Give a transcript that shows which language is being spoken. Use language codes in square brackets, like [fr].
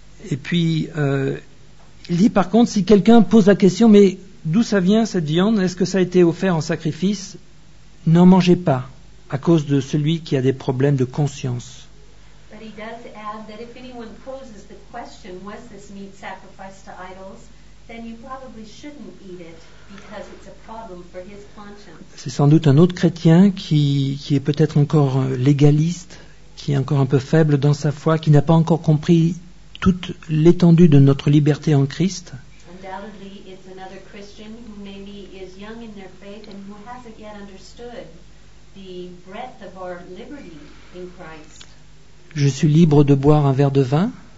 [fr] Et puis, il dit par contre, si quelqu'un pose la question, mais d'où ça vient cette viande? Est-ce que ça a été offert en sacrifice? N'en mangez pas, à cause de celui qui a des problèmes de conscience. [en] But he does add that if anyone poses the question, was this meat sacrificed to idols? Then you probably shouldn't eat it because it's a problem for his conscience. [fr] C'est sans doute un autre chrétien qui est peut-être encore légaliste, qui est encore un peu faible dans sa foi, qui n'a pas encore compris toute l'étendue de notre liberté en Christ. [en] Undoubtedly, it's another Christian who maybe is young in their faith and who hasn't yet understood the breadth of our liberty in Christ. [fr] Je suis libre de boire un verre de vin.